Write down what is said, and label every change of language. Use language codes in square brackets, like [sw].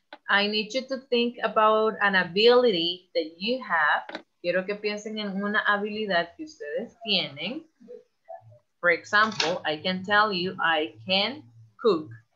[en] I need you to think about an ability that you have. [es] Quiero que piensen en una habilidad que ustedes tienen. [en] For example, I can tell you I can cook.